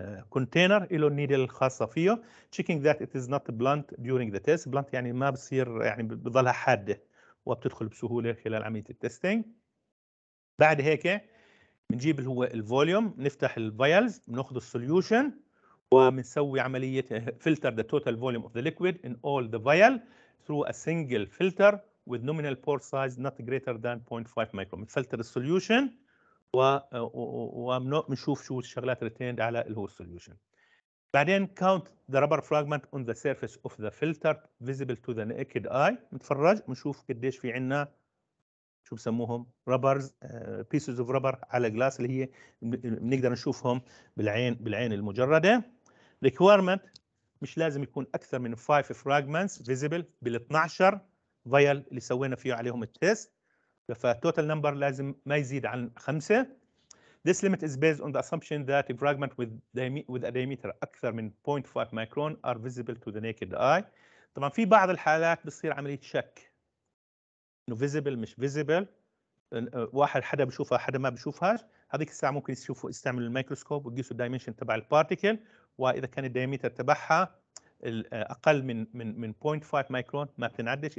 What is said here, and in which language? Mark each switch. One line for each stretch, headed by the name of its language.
Arabic: كل container إله needle الخاصة فيه.
English: Checking that it is not blunt during the test.
Arabic: Blunt يعني ما بصير يعني بظلها حادة وبتدخل بسهولة خلال عملية التستينج.
English: بعد هيك منجيب اللي هو الفوليوم نفتح الفيالز بناخذ السوليوشن ومنسوي عملية filter the total volume of the liquid in all the vial through a single filter with nominal pore size not greater than 0.5 micron.
Arabic: بنفلتر السوليوشن ومنشوف شو الشغلات retained على الهو solution.
English: بعدين count the rubber fragment on the surface of the filter visible to the naked eye.
Arabic: متفرج منشوف قديش في عنا شو بسموهم rubbers pieces of rubber على glass اللي هي بنقدر نشوفهم بالعين المجردة. requirement مش لازم يكون أكثر من 5 fragments visible بال 12 vial اللي سوينا فيه عليهم التست. فالتوتال نمبر لازم ما يزيد عن 5.
English: This limit is based on the assumption that a fragment with a diameter أكثر من 0.5 micron are visible to the naked eye.
Arabic: طبعا في بعض الحالات بصير عملية شك إنه visible مش visible. واحد حدا بشوفها حدا ما بشوفهاش. هذيك الساعة ممكن يستعمل الميكروسكوب ويقيسوا الدايمنشن تبع البارتيكل. وإذا كان الدايميتر تبعها أقل من 0.5 مايكرون ما بتنعدش.